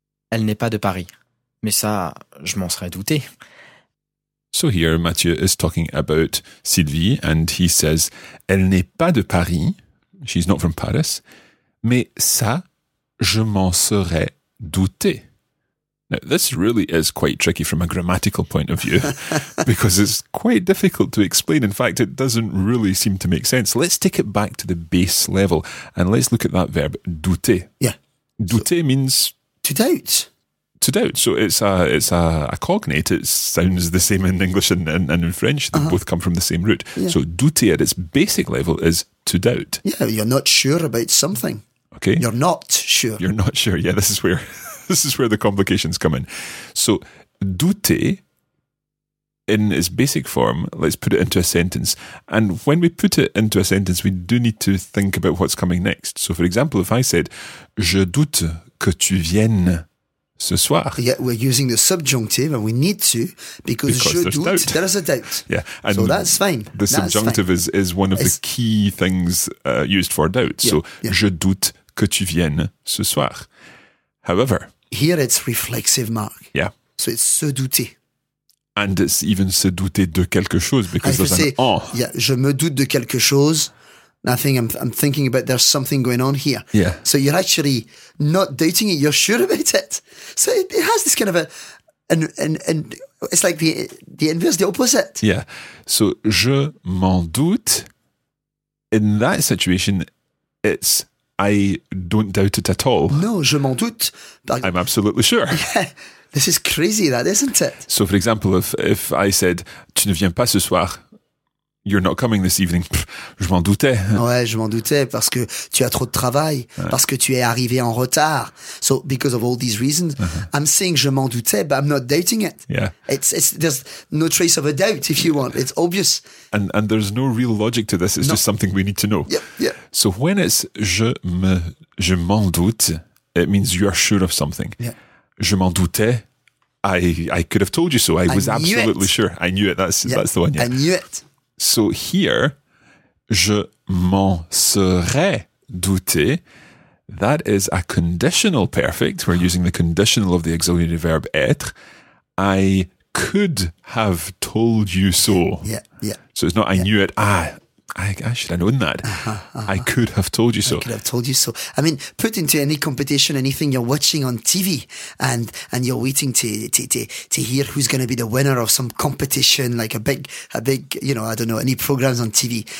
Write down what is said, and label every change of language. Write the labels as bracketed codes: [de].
[fr] Elle n'est pas de Paris. Mais ça, je m'en serais douté. [en] So here, Mathieu is talking about Sylvie and he says, [fr] elle n'est pas de Paris. [en] She's not from Paris. [fr] Mais ça, je m'en serais douté. [en] Now, this really is quite tricky from a grammatical point of view, because it's quite difficult to explain. In fact, it doesn't really seem to make sense. Let's take it back to the base level, and let's look at that verb, douter. Yeah. Douter so, means... to doubt. To doubt. So it's a cognate. It sounds the same in English and in French. They both come from the same root. Yeah. So douter at its basic level is to doubt. Yeah, you're not sure about something. Okay. You're not sure. You're not sure. Yeah, this is where... this is where the complications come in. So, douter, in its basic form, let's put it into a sentence. And when we put it into a sentence, we do need to think about what's coming next. So, for example, if I said, [fr] je doute que tu viennes ce soir. [en] Yeah, we're using the subjunctive, and we need to, because je doute, doubt. There is a doubt. Yeah. And so that's fine. The that's subjunctive fine. Is one of it's the key things used for doubt. Yeah, so, yeah. [fr] Je doute que tu viennes ce soir. [en] However, here it's reflexive mark. Yeah. So it's se douter. And it's even se douter de quelque chose because there's say, an en. [fr] Yeah, je me doute de quelque chose. [en] I think I'm thinking about there's something going on here. Yeah. So you're actually not doubting it, you're sure about it. So it has this kind of and it's like the inverse, the opposite. [fr] Yeah. So je m'en doute. [en] In that situation, it's I don't doubt it at all. [fr] No, je m'en doute. [en] But I'm absolutely sure. Yeah, this is crazy, that, isn't it? So, for example, if I said, [fr] tu ne viens pas ce soir, [en] You're not coming this evening. [fr] Pff, je m'en doutais. Ouais, je m'en doutais parce que tu as trop de travail, parce que tu es arrivé en retard. [en] So because of all these reasons, I'm saying [fr] je m'en doutais, [en] but I'm not doubting it. Yeah, it's there's no trace of a doubt if you want. It's obvious. And there's no real logic to this. It's just something we need to know. Yeah. So when it's je m'en doute, it means you are sure of something. Yeah. [fr] Je m'en doutais. [en] I could have told you so. I was absolutely sure. I knew it. That's the one. Yeah. I knew it. So here, [fr] je m'en serais douté. [en] That is a conditional perfect. We're using the conditional of the auxiliary verb être. I could have told you so. Yeah. So it's not I knew it. I should have known that. I could have told you so. I could have told you so. I mean, put into any competition, anything you're watching on TV and you're waiting to hear who's going to be the winner of some competition, like a big, you know, I don't know, any programs on TV.